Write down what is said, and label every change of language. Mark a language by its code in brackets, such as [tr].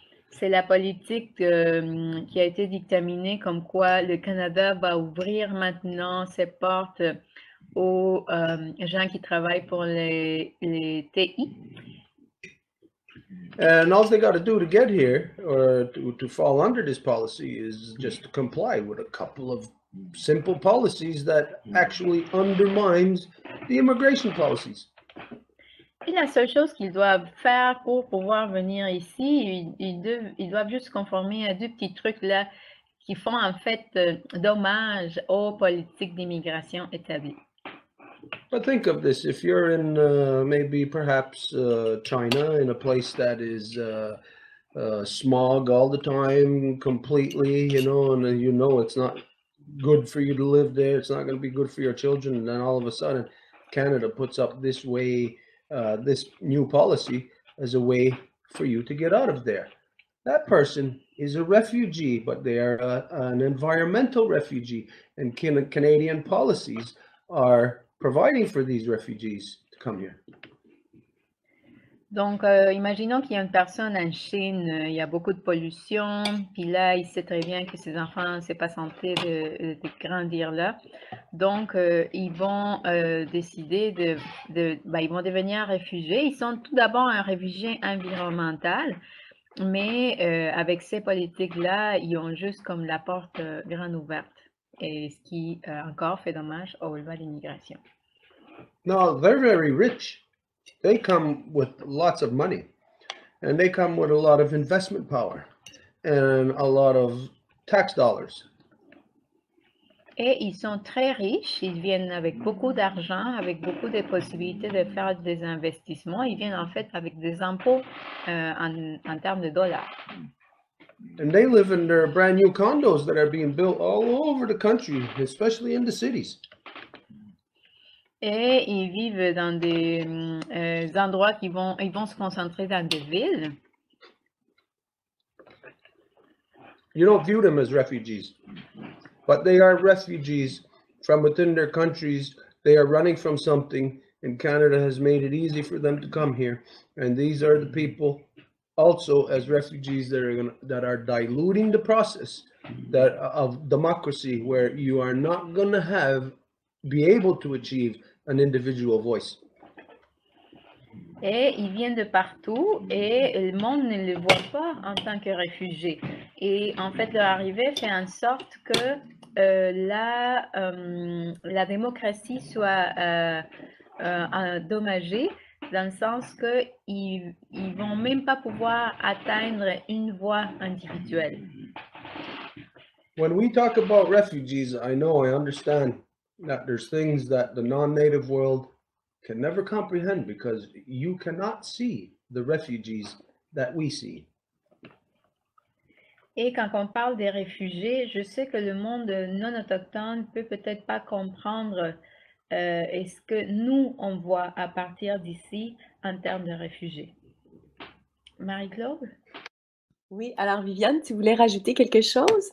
[fr] C'est la politique qui a été dictaminée comme quoi le Canada va ouvrir maintenant ses portes aux gens qui travaillent pour les TI. [en] And all they got to do to get here, or to fall under this policy, is just to comply with a couple of simple policies that actually undermines the immigration policies. [fr] Et la seule chose qu'ils doivent faire pour pouvoir venir ici, ils doivent juste conformer à deux petits trucs là qui font en fait dommage aux politiques d'immigration établies. [en] But think of this, if you're in maybe perhaps China, in a place that is smog all the time, completely, you know, and you know it's not good for you to live there, it's not going to be good for your children, and then all of a sudden Canada puts up this way, this new policy as a way for you to get out of there. That person is a refugee, but they are an environmental refugee, and Canadian policies are providing for these refugees to come here. [fr] Donc, imaginons qu'il y a une personne en Chine, il y a beaucoup de pollution, puis là, il sait très bien que ses enfants, c'est pas santé de grandir là. Donc, ils vont décider ils vont devenir réfugiés. Ils sont tout d'abord un réfugié environnemental, mais avec ces politiques-là, ils ont juste comme la porte grande ouverte. Et ce qui encore fait dommage aux lois d'immigration. [en] No, they're very rich. They come with lots of money. And they come with a lot of investment power and a lot of tax dollars. [fr] Et ils sont très riches, ils viennent avec beaucoup d'argent, avec beaucoup de possibilités de faire des investissements. Ils viennent en fait avec des impôts en termes de dollars. [en] And they live in their brand new condos that are being built all over the country, especially in the cities. [fr] Et ils vivent dans des endroits qui vont, ils vont se concentrer dans des villes. [en] You don't view them as refugees. But they are refugees from within their countries. They are running from something, and Canada has made it easy for them to come here. And these are the people also as refugees that are diluting the process that of democracy, where you are not gonna have be able to achieve an individual voice. [fr] Et ils viennent de partout et le monde ne les voit pas en tant que réfugiés. Et en fait, leur arrivée fait en sorte que la démocratie soit endommagée, dans le sens qu'ils ne vont même pas pouvoir atteindre une voix individuelle. [en] When we talk about refugees, I know, I understand that there's things that the non-native world can never comprehend because you cannot see the refugees that we see. [fr] Et quand on parle des réfugiés, je sais que le monde non autochtone peut peut-être pas comprendre ce que nous on voit à partir d'ici en termes de réfugiés. Marie-Claude? Oui, alors Viviane, tu voulais rajouter quelque chose?